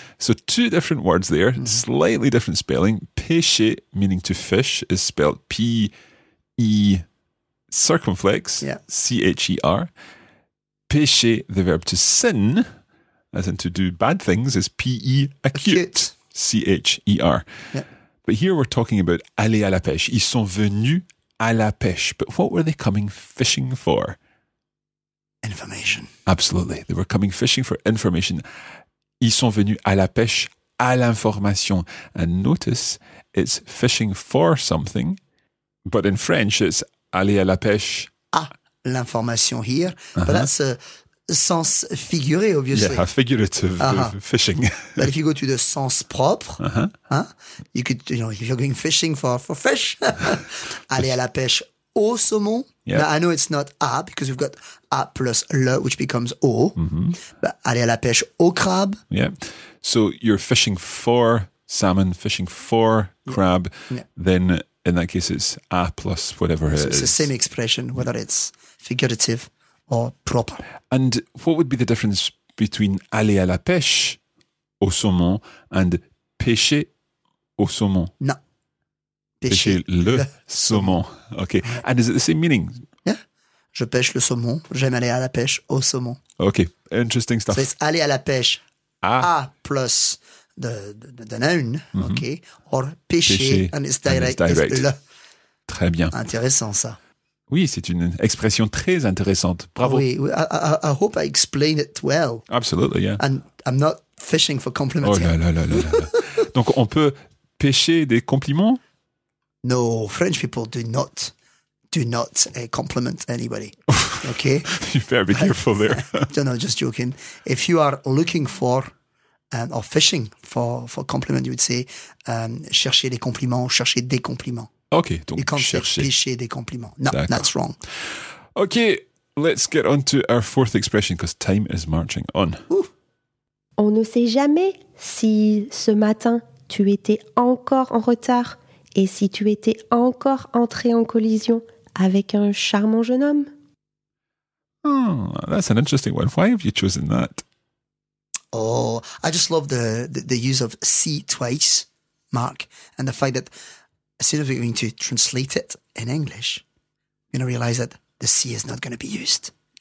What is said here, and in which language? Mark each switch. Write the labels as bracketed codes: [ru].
[en] So two different words there, mm-hmm. slightly different spelling. Pêcher, meaning to fish, is spelled P-E circumflex, yeah. C-H-E-R. Pêcher, the verb to sin, as in to do bad things, is P-E acute, C-H-E-R. Yeah. But here we're talking about aller à la pêche. [fr] Ils sont venus à la pêche. [en] But what were they coming fishing for? Information. Absolutely. They were coming fishing for information. [fr] Ils sont venus à la pêche, à l'information. [en] And notice, it's fishing for something, but in French, it's [fr] aller à la pêche. À l'information here. Uh-huh. [en] But that's a sens figuré, obviously. Yeah, a figurative fishing. But if you go to the sens propre, uh-huh. huh, you could, you know, if you're going fishing for fish, [fr] aller à la pêche au saumon. [en] Yeah. Now, I know it's not à, because we've got à plus le, which becomes au. Mm-hmm. [fr] But aller à la pêche au crabe. [en] Yeah. So you're fishing for salmon, fishing for crab. Yeah. Then in that case, it's à plus whatever it is. It's the same expression, whether it's figurative or proper. And what would be the difference between [fr] aller à la pêche au saumon [en] and [fr] pêcher au saumon? Non. Pêcher le saumon. OK. [en] And is it the same meaning? [fr] Yeah. Je pêche le saumon. J'aime aller à la pêche au saumon. [en] OK. Interesting stuff. So it's [fr] aller à la pêche. [en] Ah. A plus the noun. Mm-hmm. OK. Or pêcher. And it's direct. It's le. [fr] Très bien. Intéressant, ça. Oui, c'est une expression très intéressante. Bravo. Oui. [en] I hope I explained it well. Absolutely, yeah. And I'm not fishing for compliments. [fr] Oh là là là là là. Donc, on peut pêcher des compliments? [en] No, French people do not compliment anybody. Okay? You better be careful there. No, no, just joking. If you are looking for or fishing for compliment, you would say [fr] chercher les compliments, chercher des compliments. [en] Okay, don't you can't [fr] chercher. Say pêcher des compliments. [en] No, d'accord. That's wrong. Okay, let's get on to our fourth expression because time is marching on. Ooh. [fr] On ne sait jamais si ce matin tu étais encore en retard. Et si tu étais encore entré en collision avec un charmant jeune homme? [en] Oh, that's an interesting one. Why have you chosen that? Oh, I just love the use of see twice, Mark, and the fact that as soon as we're going to translate it in English, you're going to realize that the see is not going to be used.